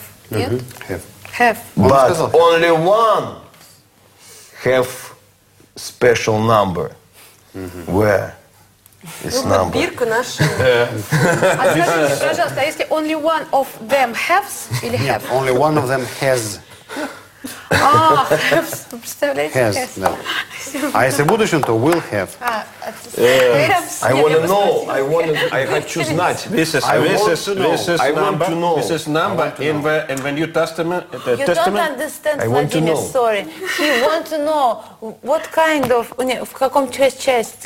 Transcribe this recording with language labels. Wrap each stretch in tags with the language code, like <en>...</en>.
<en>Maybe many animals have many heads. Only one have special number. Mm-hmm. Where? It's</en> <ru>ну, как бирка наша. А скажите, пожалуйста, а если</ru> <en>only one of them has</en> <ru>или have? Нет,</ru> <en>only one of them has.</en> <ru>А, has, вы представляете?</ru> <en>Has,</en> <ru>да. А если в будущем, то</ru> <en>will have. I want to know. This is number in the New Testament. You don't understand, Vladimir, sorry. He want to know what kind of,</en> <ru>в каком части.</ru>